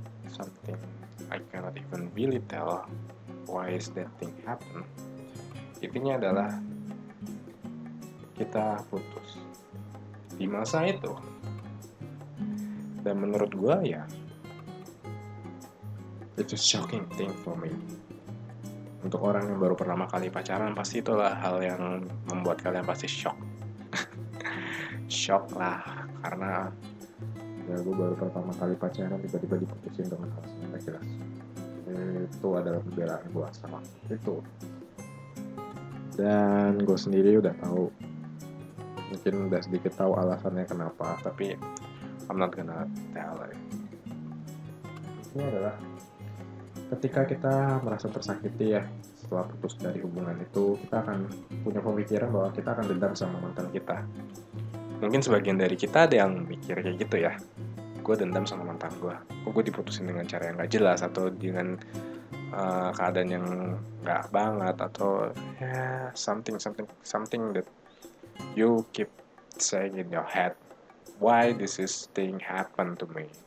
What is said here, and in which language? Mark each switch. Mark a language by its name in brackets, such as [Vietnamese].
[English] Something I cannot even really tell why is that thing happen. [Indonesian] Intinya adalah kita putus di masa itu. Dan menurut gue ya, [English] it's a shocking thing for me. [Indonesian] Untuk orang yang baru pertama kali pacaran, pasti itulah hal yang membuat kalian pasti shock. Shock lah, karena ya gue baru pertama kali pacaran tiba-tiba diputusin dengan alasan yang jelas. Itu adalah pembelaan gue sama itu. Dan gue sendiri udah tahu, mungkin udah sedikit tahu alasannya kenapa, tapi [English] I'm not gonna tell it. [Indonesian] Ini adalah ketika kita merasa tersakiti ya, setelah putus dari hubungan itu, kita akan punya pemikiran bahwa kita akan dendam sama mantan kita. Mungkin sebagian dari kita ada yang mikir kayak gitu ya, gue dendam sama mantan gue, kok gue diputusin dengan cara yang gak jelas, atau dengan keadaan yang gak banget, atau [English] something that you keep saying in your head. Why this is thing happen to me?